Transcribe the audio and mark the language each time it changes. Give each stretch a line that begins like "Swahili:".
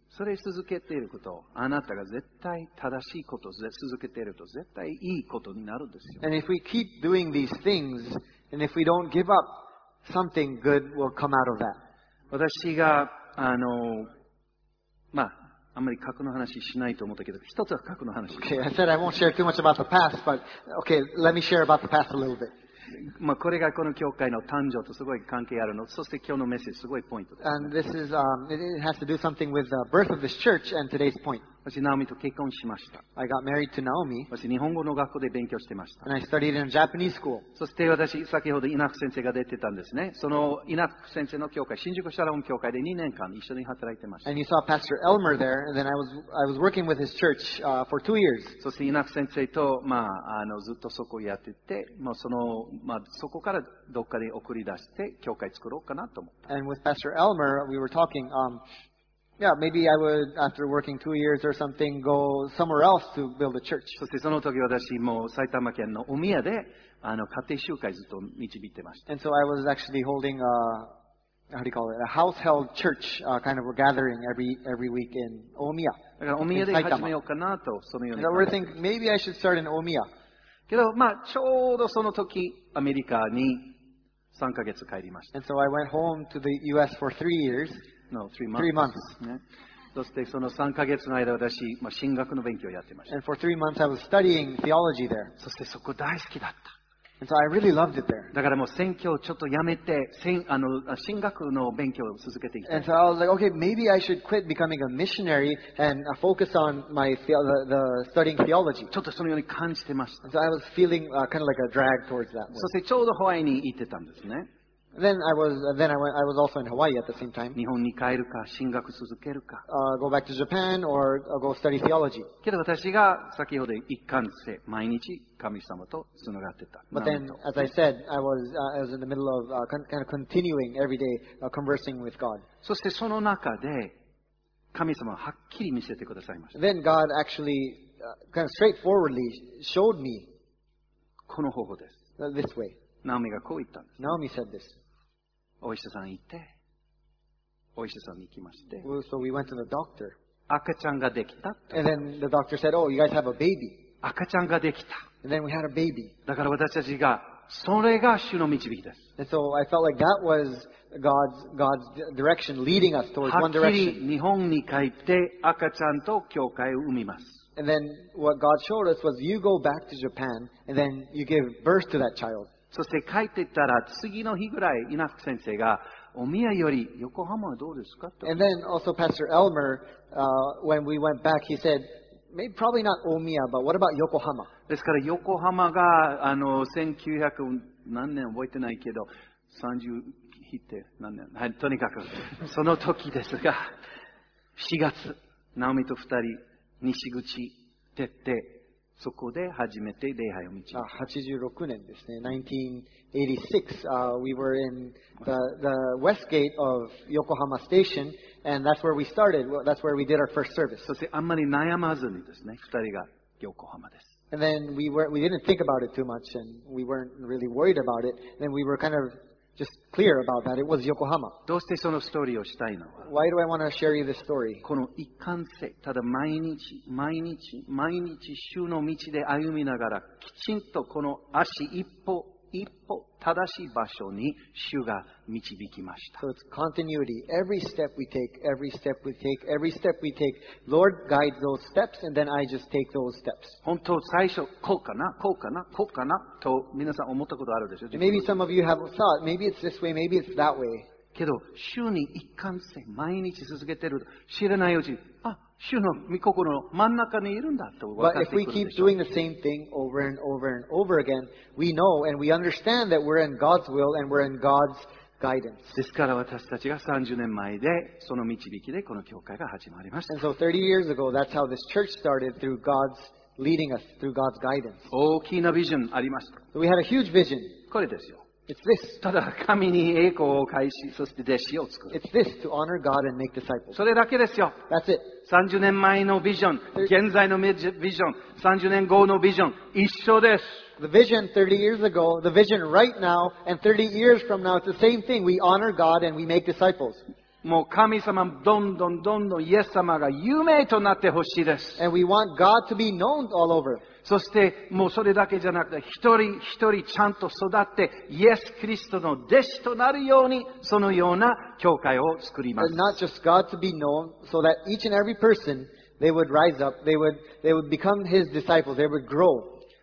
Japanese: それ続けていること、あなたが絶対正しいこと、続けていると絶対いいことになるんですよ。
English: And if we keep doing these things, and if we don't give up, something good will come out of that.
Japanese: 私が、あの、まあ、あんまり過去の話しないと思ったけど、一つは過去の話。
English: Okay, I said I won't share too much about the past, but okay, let me share about the past a little bit.
Japanese: まあ、これがこの教会の誕生とすごい関係あるの。そして今日のメッセージすごいポイントです、ね。
English: And this is, it has to do something with the birth of this church and today's point.
Japanese: 私、ナオミと結婚しました。
English: I got married to Naomi.
Japanese: 私、日本語の学校で勉強してました。
English: And I studied in a Japanese school.
Japanese: そして私、先ほど稲福先生が出てたんですね。その稲福先生の教会、新宿シャローン教会で2年間一緒に働いてました。
English: And you saw Pastor Elmer there, and then I was working with his church, for 2 years.
Japanese: そして稲福先生と、まあ、あの、ずっとそこをやってて、もうその、まあ、そこからどっかで送り出して教会作ろうかなと思った。
English: And with Pastor Elmer, we were talking, yeah, maybe I would, after working 2 years or something, go somewhere else to build a church.
Japanese: そしてその時私も埼玉県の海屋で、あの、家庭集会ずっと導いてました。
English: And so I was actually holding a, how do you call it, a household church, kind of a gathering every week in 大宮。
Japanese: だから大宮で始めようかなと、そのように。
English: And I was thinking, maybe I should start in 大宮。
Japanese: けど、まあ、ちょうどその時、アメリカに3ヶ月帰りました。
English: And so I went home to the US for 3 years. No, 3 months. 3 months.、
Japanese: ね、そしてその3ヶ月の間、私、まあ、神学の勉強をやってました。
English: And for 3 months, I was studying theology there.
Japanese: そしてそこ大好きだった。
English: And so I really loved it there.
Japanese: だからもう宣教ちょっとやめて、あの、神学の勉強を続けていきたい。
English: And so I was like, okay, maybe I should quit becoming a missionary and focus on my the studying theology.
Japanese: ちょっとそのように感じてました。
English: And so I was feeling kind of like a drag towards that.
Japanese: そしてちょうどハワイに行ってたんですね。
English: Then I was also in Hawaii at the same time.
Japanese: 日本に帰るか、神学続けるか。
English: Go back to Japan or go study theology.
Japanese: けど私が先ほど一貫性、毎日神様とつながってた。
English: But then, as I said, I was in the middle of kind of continuing every day conversing with God.
Japanese: そしてその中で、神様ははっきり見せてくださいました。
English: Then God actually kind of straightforwardly showed me
Japanese: この方法です。
English: This way.
Japanese: ナオミがこう言ったんです。
English: Naomi said this.
Japanese: お医者さん行って、お医者さんに行きまして。
English: Well, so we went to the doctor.
Japanese: 赤ちゃんができた。
English: And then the doctor said, oh, you guys have a baby.
Japanese: 赤ちゃんができた。
English: And then we had a baby.
Japanese: だから私たちが、それが主の導きです。
English: And so I felt like that was God's direction leading us towards one direction.
Japanese: はっきり日本に帰って赤ちゃんと教会を産みます。
English: And then what God showed us was you go back to Japan and then you give birth to that child.
Japanese: そして帰っていったら次の日ぐらい稲福先生がお宮より横浜はどうですかと。
English: And then also Pastor Elmer, when we went back, he said,Maybe probably not Omiya, but what about Yokohama?
Japanese: ですから横浜が1900何年覚えてないけど30日って何年、はい、とにかくその時ですが4月ナオミと2人西口行ってそこで初めて礼拝を導いた。86年ですね。
English: 1986、we were in the west gate of Yokohama Station, and that's where we started. That's where we did our first service.
Japanese: そしてあんまり悩まずにですね、二人が横浜です。
English: And then we didn't think about it too much, and we weren't really worried about it. Then we were kind of just clear about that. It was Yokohama.
Japanese: どうしてそのストーリーをしたいのか。
English: Why do I want to share you this story?
Japanese: この一貫性、ただ毎日、主の道で歩みながら、きちんとこの足一歩、一歩正しい場所に主が導きました。
English: So it's continuity. Every step we take, Lord guides those steps, and then I just take those steps.
Japanese: 本当最初こうかなと皆さん思ったことあるでしょう。
English: Maybe some of you have thought, maybe it's this way, maybe it's that way.
Japanese: けど主に一貫性毎日続けてると知らないうちに、あ、主の御心の真ん中にいるんだと分かってくるでしょう。
English: But if we keep doing the same thing over and over and over again, we know and we understand that we're in God's will and we're in God's guidance.
Japanese: ですから私たちが30年前でその導きでこの教会が始まりました。
English: And so 30 years ago, that's how this church started through God's leading us, through God's guidance.
Japanese: 大きなビジョンありました。
English: So、we had a huge vision.
Japanese: これですよ。
English: It's this.
Japanese: ただ神に栄光を返し、そして弟子を作る。
English: It's this, to honor God and make disciples.
Japanese: それだけですよ。
English: That's it.
Japanese: 30年前のビジョン、現在のビジョン、30年後のビジョン、一緒です。
English: The vision 30 years ago, the vision right now, and 30 years from now, it's the same thing. We honor God and we make disciples.
Japanese: もう神様、どんどんイエス様が有名となってほしいです。
English: And we want God to be known all over.
Japanese: そしてもうそれだけじゃなくて一人一人ちゃんと育ってイエス・キリストの弟子となるようにそのような教会を作ります。
English: And not just God to be known, so that each and every person, they would rise up, they would become His disciples, they would grow.